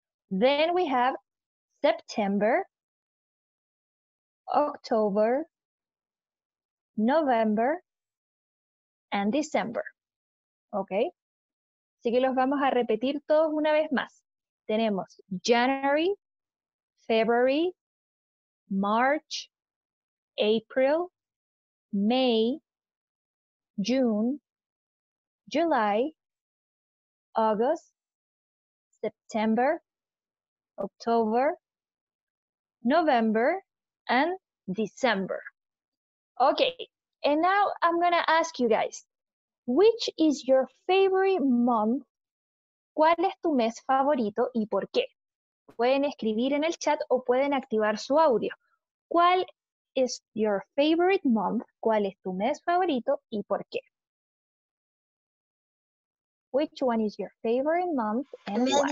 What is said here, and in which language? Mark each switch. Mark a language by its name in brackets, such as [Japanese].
[English] Then we have September, October, November, and December. [Spanish] ¿Ok? Así que los vamos a repetir todos una vez más. Tenemos [English] January, February, March, April, May, June, July, August, September, October, November, and December. Okay, and now I'm gonna ask you guys, which is your favorite month? [Spanish] ¿Cuál es tu mes favorito y por qué? Pueden escribir en el chat o pueden activar su audio. ¿Cuál [English] is your favorite month? [Spanish] ¿Cuál es tu mes favorito y por qué? [English] Which one is your favorite month and why?